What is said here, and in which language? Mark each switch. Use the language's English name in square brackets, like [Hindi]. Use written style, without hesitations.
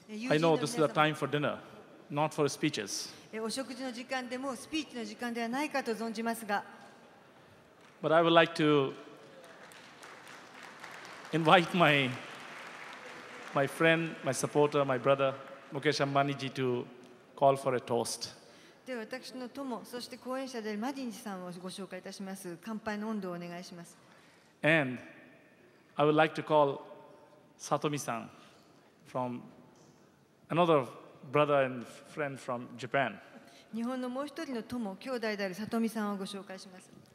[English] I know this is a time for dinner, not for speeches. But I would like to invite my friend, my supporter, my brother, Mukesh Ambani ji, to call for a toast. [Japanese] で、私の友、そして講演者であるマディンジさんをご紹介いたします。乾杯の音頭をお願いします。 [English] And I would like to call Satomi-san from another brother and friend from Japan. [Japanese] 日本のもう一人の友、兄弟であるサトミさんをご紹介します。